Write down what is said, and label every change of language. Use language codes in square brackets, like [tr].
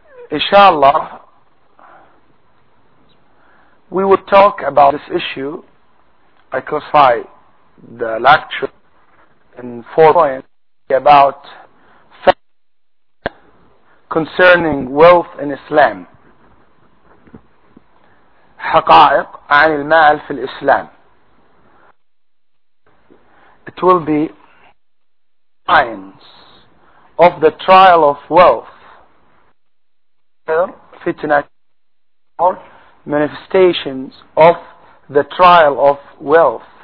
[en] Inshallah, we will talk about this issue. I classify the lecture in 4 points about concerning wealth in Islam. [ar] حقائق عن المال في الإسلام. [en] It will be signs of the trial of wealth. Fitnah or manifestations of the trial of wealth.